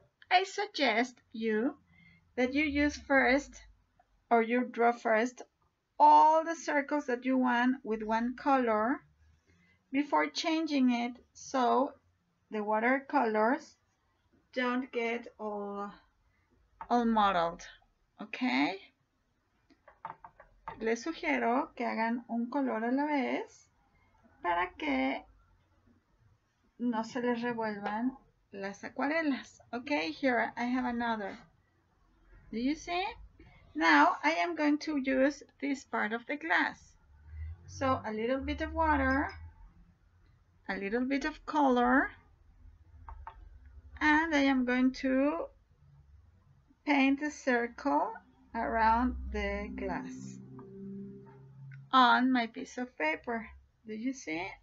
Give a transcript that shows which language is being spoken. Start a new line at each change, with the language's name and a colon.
English: I suggest you that you use first, or you draw first, all the circles that you want with one color before changing it so the watercolors don't get all mottled, okay?
Spanish: Les sugiero que hagan un color a la vez para que no se les revuelvan las acuarelas, okay?
English: Here I have another. Do you see? Now I am going to use this part of the glass. So a little bit of water, a little bit of color, and I am going to paint a circle around the glass on my piece of paper. Do you see?